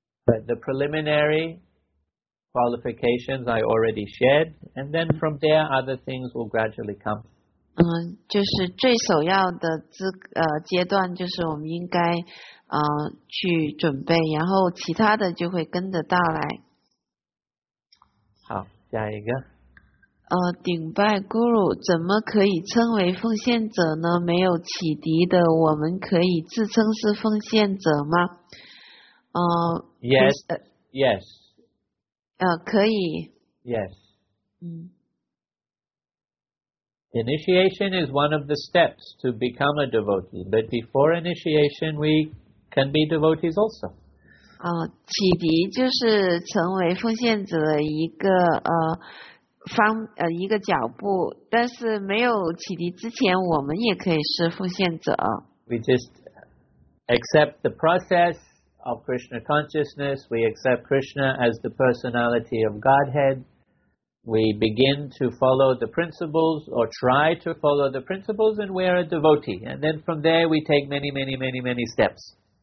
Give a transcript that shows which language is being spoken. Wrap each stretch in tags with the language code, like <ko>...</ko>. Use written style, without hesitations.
<en>But the preliminary qualifications I already shared, and then from there other things will gradually come.</en> <zh>就是最首要的阶段就是我们应该去准备，然后其他的就会跟着到来。好，下一个。顶拜 Guru 怎么可以称为奉献者呢？没有启迪的我们可以自称是奉献者吗？</zh> <en>Yes, yes.</en> <zh>可以。</zh> <en>Yes. Initiation is one of the steps to become a devotee, but before initiation, we can be devotees also.</en> <zh>启迪就是成为奉献者的一个脚步，但是没有启迪之前，我们也可以是奉献者。</zh> <en>We just accept the process of Krishna consciousness, we accept Krishna as the personality of Godhead. We begin to follow the principles or try to follow the principles and we are a devotee. And then from there we take many, many, many, many steps.</en>